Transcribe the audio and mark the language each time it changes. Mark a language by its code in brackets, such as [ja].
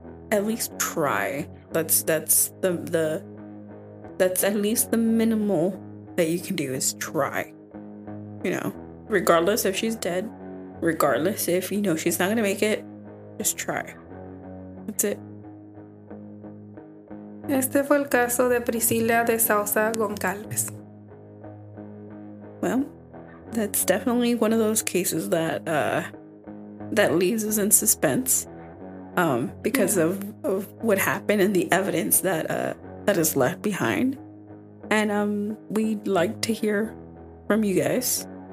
[en] At least try. That's at least the minimal that you can do is try. You know, regardless if she's dead, regardless if, you know, she's not gonna make it, just try. That's it. [es] Este fue el caso de Priscila de Sousa Goncalves. [en] Well, that's definitely one of those cases that that leaves us in suspense because yeah. of what happened and the evidence that that is left behind. And we'd like to hear from you guys.